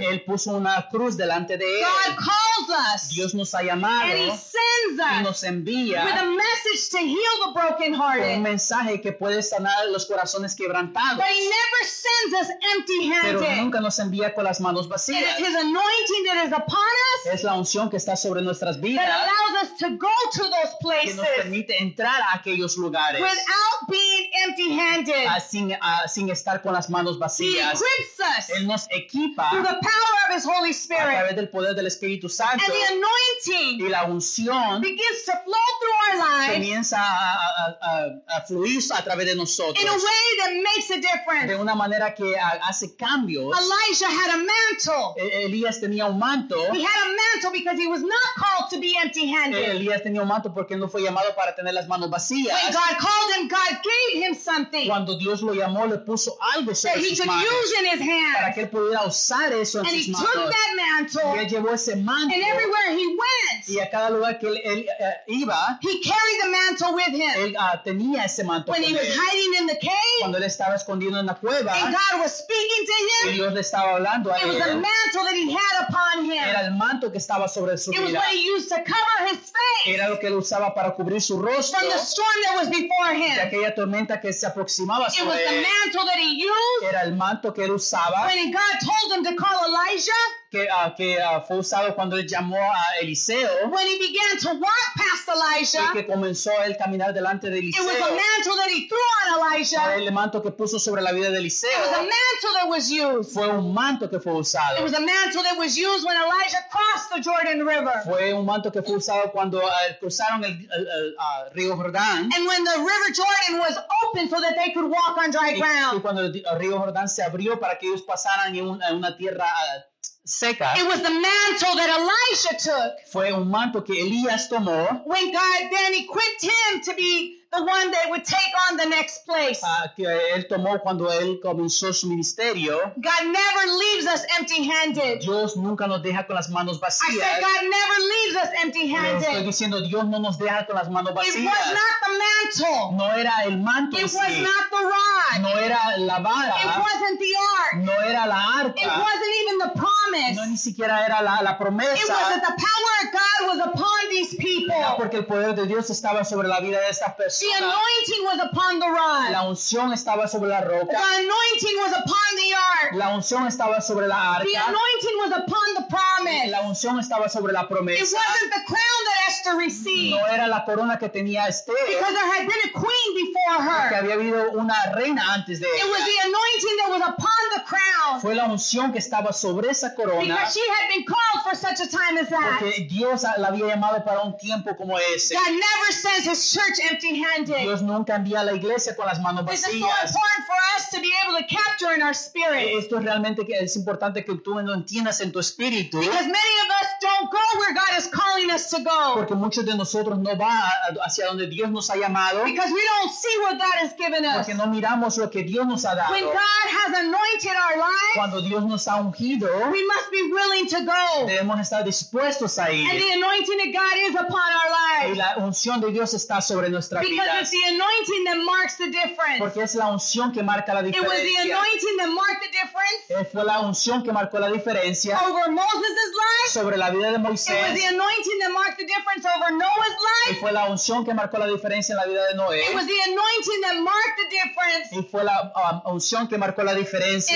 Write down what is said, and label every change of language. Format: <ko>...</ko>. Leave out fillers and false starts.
<es>Él puso una cruz delante de él.</es> <en>God calls us.</en> <es>Dios nos ha llamado.</es> <en>And he sends us.</en> <es>Y nos envía.</es> <en>With a message to heal the brokenhearted.</en> <es>Un mensaje que puede sanar los corazones quebrantados.</es> <en>But he never sends us empty-handed.</en> <es>Pero nunca nos envía con las manos vacías.</es> <en>It is his anointing that is upon us.</en> <es>Es la unción que está sobre nuestras vidas.</es> <en>That allows us to go to those places.</en> <es>Que nos permite entrar a aquellos lugares.</es> <en>Without being empty-handed.</en> <es>Sin estar con las manos vacías. familias.</es> <en>He equips us.</en> <es>Él nos equipa.</es> <en>Through the power of his Holy Spirit.</en> <es>A través del poder del Espíritu Santo.</es> <en>And the anointing.</en> <es>Y la unción.</es> <en>Begins to flow through our lives.</en> <es>Comienza a fluir a través de nosotros.</es> <en>In a way that makes a difference.</en> <es>De una manera que hace cambios.</es> <en>Elijah had a mantle.</en> <es>Elías tenía un manto.</es> <en>He had a mantle because he was not called to be empty-handed.</en> <es>Elías tenía un manto porque no fue llamado para tener las manos vacías.</es> <en>When God called him, God gave him something.</en> <es>Cuando Dios lo llamó, le puso algo sobre sus</es> <en>That he could use in his hands.</en> <es>Para que él pudiera usar eso en sus manos.</es> <en>And he took that mantle.</en> <es>Y él llevó ese manto.</es> <en>And everywhere he went.</en> <es>Y a cada lugar que él iba.</es> <en>He carried the mantle with him.</en> <es>Él tenía ese manto.</es> <en>When he was hiding in the cave.</en> <es>Cuando él estaba escondido en la cueva.</es> <en>And God was speaking to him.</en> <es>Y Dios le estaba hablando a él.</es> <en>It was a mantle that he had upon him.</en> <es>Era el manto que estaba sobre su vida.</es> <en>It was what he used to cover his face.</en> <es>Era lo que él usaba para cubrir su rostro.</es> <en>From the storm that was before him.</en> <es>De aquella tormenta que se aproximaba sobre él.</es> <en>It was the mantle that he used.</en> <es>Era el manto que él usaba.</es> <en>When God told him to call Elijah.</en> <es>Que fue usado cuando él llamó a Eliseo.</es> <en>When he began to walk past Elijah.</en> <es>Que comenzó a él caminar delante de Eliseo.</es> <en>It was the mantle that he threw on Elijah.</en> <es>El manto que puso sobre la vida de Eliseo.</es> <en>It was a mantle that was used.</en> <es>Fue un manto que fue usado.</es> <en>It was a mantle that was used when Elijah crossed the Jordan River.</en> <es>Fue un manto que fue usado cuando cruzaron el río Jordán.</es> <en>And when the River Jordan was open so that they could walk on dry ground.</en> <es>Y cuando el río Jordán se abrió para que ellos pasaran en una tierra seca.</es> <en>It was the mantle that Elijah took.</en> <es>Fue un manto que Elías tomó.</es> <en>When God then equipped him to be the one that would take on the next place.</en> <es>Que él tomó cuando él comenzó su ministerio.</es> <en>God never leaves us empty-handed.</en> <es>Dios nunca nos deja con las manos vacías.</es> <en>I said God never leaves us empty-handed.</en> <es>Estoy diciendo Dios no nos deja con las manos vacías.</es> <en>It was not the mantle.</en> <es>No era el manto.</es> <en>It was not the rod.</en> <es>No era la vara.</es> <en>It wasn't the ark.</en> <es>No era la arca.</es> <en>It wasn't even the promise.</en> <es>No ni siquiera era la promesa.</es> <en>It was that the power of God was upon these people.</en> <es>Era porque el poder de Dios estaba sobre la vida de estas personas.</es> <en>The anointing was upon the rod.</en> <es>La unción estaba sobre la roca.</es> <en>The anointing was upon the ark.</en> <es>La unción estaba sobre la arca.</es> <en>The anointing was upon the promise.</en> <es>La unción estaba sobre la promesa.</es> <en>It wasn't the crown that Esther received.</en> <es>No era la corona que tenía Esther.</es> <en>Because there had been a queen before her.</en> <es>Porque había habido una reina antes de ella.</es> <en>It was the anointing that was upon the crown.</en> <es>Fue la unción que estaba sobre esa corona.</es> <en>Because she had been called for such a time as that.</en> <es>Porque Dios la había llamado para un tiempo como ese.</es> <en>God never sends his church empty.</en> <es>Dios nunca envía a la iglesia con las manos vacías.</es> <en>This is so important for us to be able to capture in our spirit.</en> <es>Esto realmente es importante que tú lo entiendas en tu espíritu.</es> <en>Because many of us don't go where God is calling us to go.</en> <es>Porque muchos de nosotros no va hacia donde Dios nos ha llamado.</es> <en>Because we don't see what God has given us.</en> <es>Porque no miramos lo que Dios nos ha dado.</es> <en>When God has anointed our lives,</en> <es>cuando Dios nos ha ungido,</es> <en>we must be willing to go.</en> <es>Debemos estar dispuestos a ir.</es> <en>And the anointing of God is upon our lives.</en> <es>Y la unción de Dios está sobre nuestra vida.</es> <en>Because it's the anointing that marks the difference.</en> <es>Porque es la unción que marca la diferencia.</es> <en>It was the anointing that marked the difference.</en> <es>Fue la unción que marcó la diferencia.</es> <en>Over Moses's life.</en> <es>Sobre la vida de Moisés.</es> <en>It was the anointing that marked the difference over Noah's life.</en> <es>Fue la unción que marcó la diferencia en la vida de Noé.</es> <en>It was the anointing that marked the difference.</en> <es>Y fue la unción que marcó la diferencia.</es>